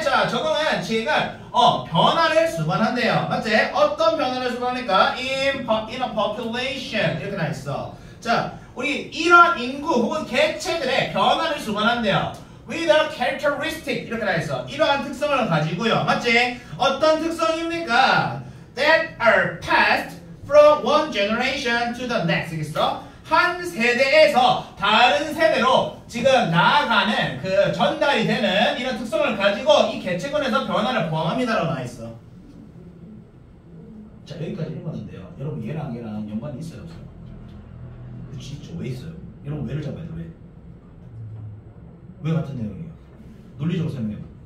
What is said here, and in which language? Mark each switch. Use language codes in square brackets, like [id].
[ko] 자, 적응은 제가 변화를 수반한대요. 맞지? 어떤 변화를 수반하니까 in a population 이렇게 나 있어. 자, 우리 이러한 인구 혹은 개체들의 변화를 수반한대요. With a characteristic 이렇게 나 있어. 이러한 특성을 가지고요. 맞지? 어떤 특성입니까? [en] That are passed from one generation to the next. [ko] 알겠어? 한 세대에서 다른 세대로 지금 나아가는 그 전달이 되는 이런 특성을 가지고 이 개체권에서 변화를 포함합니다라고 나와있어. 자, 여기까지 읽었는데요. 여러분, 얘랑 얘랑 연관이 있어요, 없어요? 그치, 있죠? 왜 있어요? 여러분, 왜를 잡아야 돼, 왜? 왜 같은 내용이에요? 논리적으로 설명해봐.